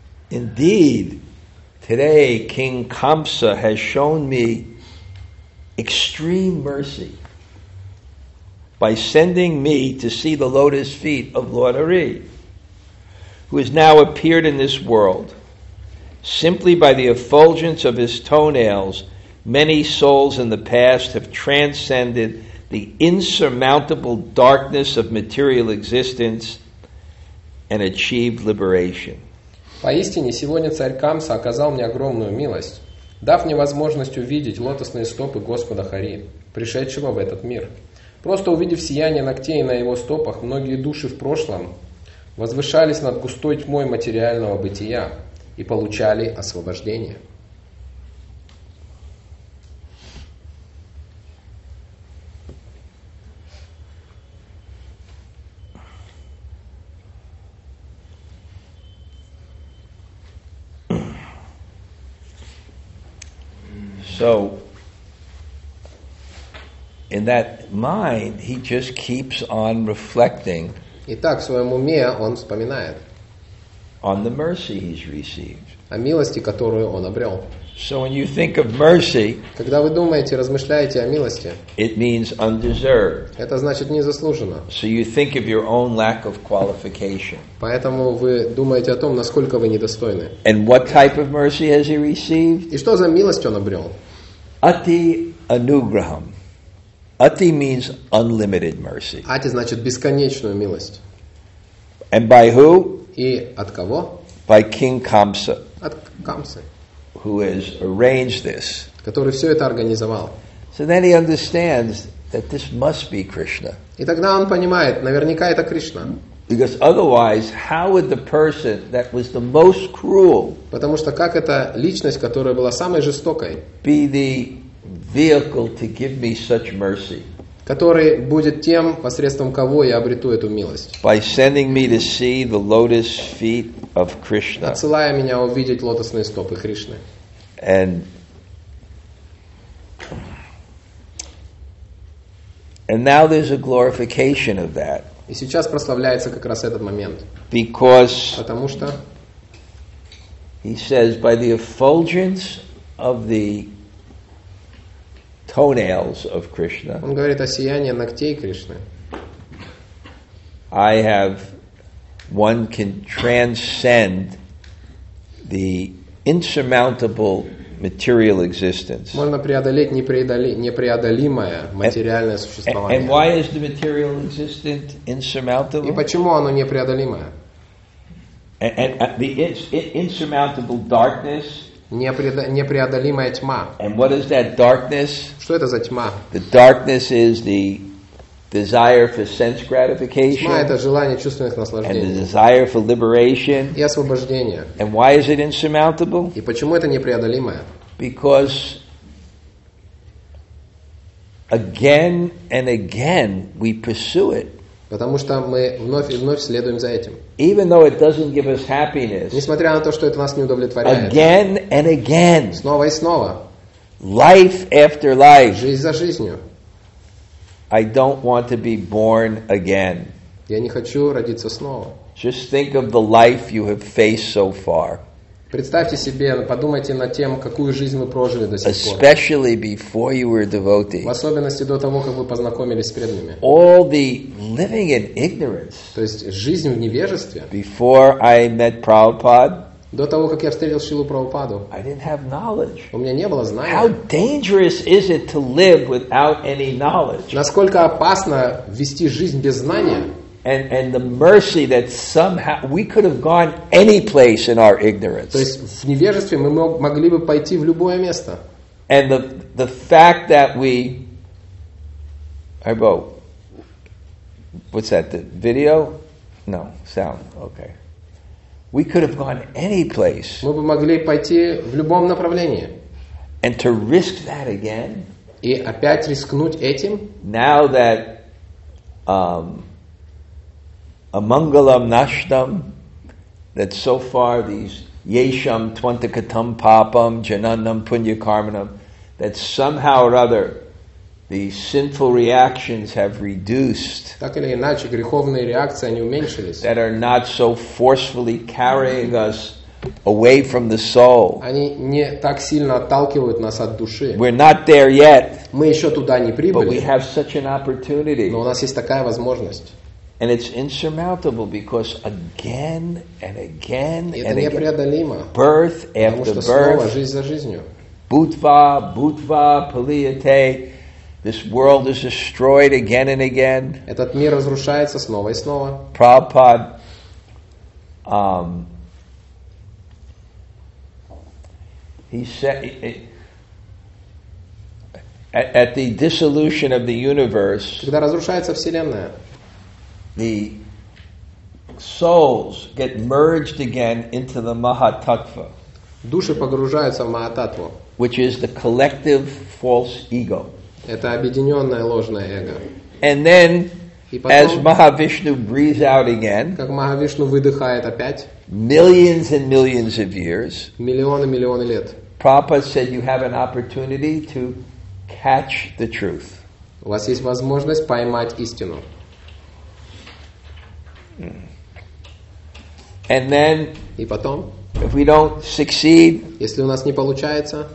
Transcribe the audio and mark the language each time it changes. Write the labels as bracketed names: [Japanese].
[English] Indeed, today King Kamsa has shown me extreme mercy by sending me to see the lotus feet of Lord Hari, who has now appeared in this world. Simply by the effulgence of his toenails, many souls in the past have transcended the insurmountable darkness of material existence and achieved liberation. [Russian] Поистине, сегодня царь Камса оказал мне огромную милость, дав мне возможность увидеть лотосные стопы Господа Хари, пришедшего в этот мир. Просто увидев сияние ногтей на его стопах, многие души в прошлом возвышались над густой тьмой материального бытия и получали освобождение. [English] So in that mind he just keeps on reflecting. [Russian] Итак, в своем уме он вспоминает [English] on the mercy he's received. [Russian] О милости, которую он обрел. [English] So when you think of mercy, [Russian] когда вы думаете, размышляете о милости, [English] it means undeserved. [Russian] Это значит незаслуженно. [English] So you think of your own lack of qualification. [Russian] Поэтому вы думаете о том, насколько вы недостойны. [English] And what type of mercy has he received? [Russian] И что за милость он обрел? [Sanskrit] Ati anugraham. [English] Ati means unlimited mercy. [Russian] Ati значит бесконечную милость. [English] And by who? [Russian] И от кого? [English] By King Kamsa. [Russian] От Камсы. [English] Who has arranged this. [Russian] Который все это организовал. [English] So then he understands that this must be Krishna. [Russian] И тогда он понимает, наверняка это Кришна. [English] Because otherwise, how would the person that was the most cruel, [Russian] потому что как эта личность, которая была самой жестокой, [English] be the vehicle to give me such mercy? [Russian] Который будет тем, посредством кого я обрету эту милость. [English] By sending me to see the lotus feet of Krishna. [Russian] Отсылая меня увидеть лотосные стопы Кришны. [English] And now there's a glorification of that. [Russian] И сейчас прославляется как раз этот момент. [English] Because [Russian] потому что [English] he says by the effulgence of the toenails of Krishna. [Russian] Он говорит о сиянии ногтей Кришны. [English] I have one can transcend the insurmountable material existence. [Russian] Можно преодолеть непреодолимое материальное существование. [English] And why is the material existence insurmountable? [Russian] И почему оно непреодолимое? [English] And the insurmountable darkness. [Russian] Непреодолимая тьма. [English] And what is that darkness? [Russian] Что это за тьма? [English] The darkness is the desire for sense gratification. [Russian] Тьма — это желание чувственных наслаждений. [English] And the desire for liberation. [Russian] И освобождение. [English] And why is it insurmountable? [Russian] И почему это непреодолимое? [English] Because Again and again we pursue it. [Russian] Потому что мы вновь и вновь следуем за этим. [English] Even though it doesn't give us happiness. [Russian] Несмотря на то, что это нас не удовлетворяет. [English] Again and again. [Russian] Снова и снова. [English] Life after life. [Russian] Жизнь за жизнью. [English] I don't want to be born again. [Russian] Я не хочу родиться снова. [English] Just think of the life you have faced so far. [Russian] Представьте себе, подумайте над тем, какую жизнь вы прожили до сих пор. [English] Especially before you were devotee. [Russian] В особенности до того, как вы познакомились с преданными. [English] All the living in ignorance. [Russian] То есть жизнь в невежестве. [English] Before I met Prabhupada. [Russian] До того, как я встретил Шрилу Прабхупаду. [English] I didn't have knowledge. [Russian] У меня не было знания. [English] How dangerous is it to live without any knowledge? [Russian] Насколько опасно вести жизнь без знания? [English] And the mercy that somehow we could have gone any place in our ignorance. [Russian] То есть в невежестве мы могли бы пойти в любое место. [English] And the fact that we, Arbo, what's that? The video? No, sound. Okay. We could have gone any place. [Russian] Мы бы могли пойти в любом направлении. [English] And to risk that again. [Russian] И опять рискнуть этим. [English] Now that [Sanskrit] Amangalam Nashtam, [English] that so far these [Sanskrit] Yesham Twantakatam Papam Janannam Punyakarmanam, [English] that somehow or other the sinful reactions have reduced. [Russian] Так или иначе, греховные реакции, они уменьшились. [English] That are not so forcefully carrying us away from the soul. [Russian] Они не так сильно отталкивают нас от души. [English] We're not there yet. [Russian] Мы еще туда не прибыли. [English] But we have such an opportunity. [Russian] Но у нас есть такая возможность. [English] And it's insurmountable because again and again and again, birth after birth, [Russian] снова, жизнь за жизнью. [Sanskrit] Bhutva, bhutva, paliyate, [English] this world is destroyed again and again. [Russian] Этот мир разрушается снова и снова. [English] Prabhupada, he said, at the dissolution of the universe, [Russian] когда разрушается вселенная, [English] the souls get merged again into the Mahatattva. [Russian] Души погружаются в Mahatattva. [English] Which is the collective false ego. [Russian] Это объединенное ложное эго. [English] And then, [Russian] потом, [English] as Mahavishnu breathes out again, [Russian] как Mahavishnu выдыхает опять, [English] millions and millions of years, [Russian] миллионы, миллионы лет, [English] Prabhupada said you have an opportunity to catch the truth. [Russian] У вас есть возможность поймать истину. [English] And then, [Russian] и потом, [English] if we don't succeed, [Russian] если у нас не получается,